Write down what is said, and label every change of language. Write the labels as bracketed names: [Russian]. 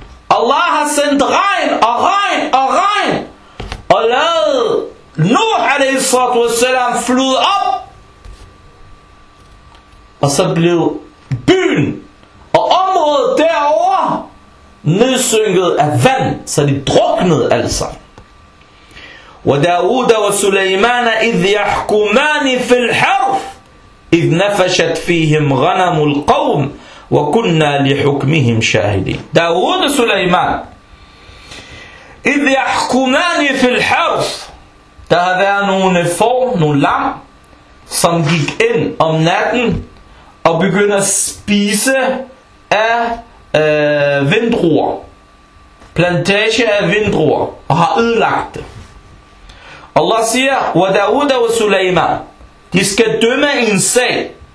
[Danish] Allah har sendt regn og regn og regn, og lad Nuh alaihissalatu wassalam flyde op, og så blev byen og området derovre nedsynket af vand, så de druknede alle sammen. [Arabic] وداود وسليمان إذ يحكمان في الحرف إذ نفشت فيهم غنم القوم وَكُنَّا لِحُكْمِهِمْ شَاهِدِينَ. داود سليمان إِذْ يَحْكُمَانِ فِي الْحَرْثِ. [Danish] Der havde været nogle får, nogle lam, som gik ind om natten og begyndte at spise af vindruer, plantage af vindruer, og har ødelagt det. Allah siger, وَدَاوُدَ وَسُلَيْمَانِ. De skal dømme en sag.